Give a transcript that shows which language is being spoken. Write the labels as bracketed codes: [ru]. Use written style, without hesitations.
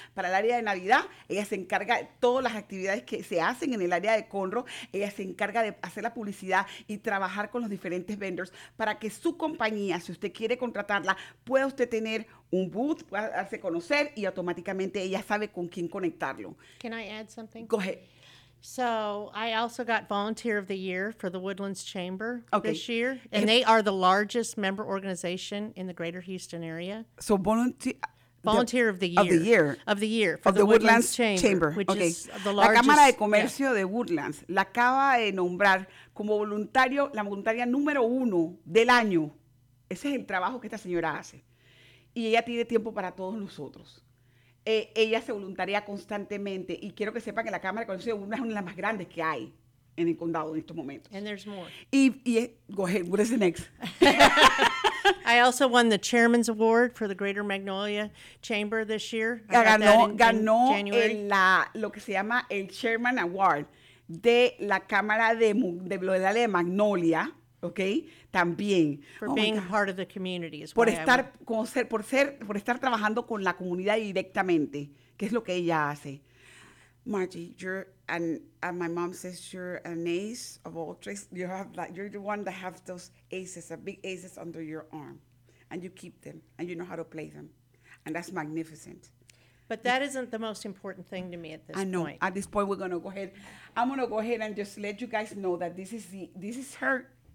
[es] Para el área de Navidad, ella se encarga de todas las actividades que se hacen en el área de Conroe. Ella se encarga de hacer la publicidad y trabajar con los diferentes vendors para que su compañía, si usted quiere contratarla, pueda usted tener un booth, pueda darse a conocer y automáticamente ella sabe con quién conectarlo. [en] Can I add something? Go ahead. So I also got Volunteer of the Year for the Woodlands Chamber okay. This year. And they are the largest member organization in the greater Houston area. So Volunteer of the Year. Of the Year. Of the Year for of the Woodlands Chamber. Which okay. is the largest. [es] La Cámara de Comercio de Woodlands la acaba de nombrar como voluntario, la voluntaria número uno del año. Ese es el trabajo que esta señora hace. Y ella tiene tiempo para todos nosotros. Ella se voluntaria constantemente y quiero que sepan que la Cámara de Comercio es una de las más grandes que hay en el condado en estos momentos. [en] And there's more. Y go ahead, what is the next? I also won the Chairman's Award for the Greater Magnolia Chamber this year. [es] Ganó lo que se llama el Chairman Award de la Cámara de Magnolia. Okay, también. Por estar trabajando con la comunidad directamente, que es lo que ella hace. [en] Margie, and my mom says you're an ace of all trades. You have like you're the one that have those aces, the big aces under your arm, and you keep them and you know how to play them, and that's magnificent. But that isn't the most important thing to me at this point. I know. At this point, we're gonna go ahead. I'm gonna go ahead and just let you guys know that this is her.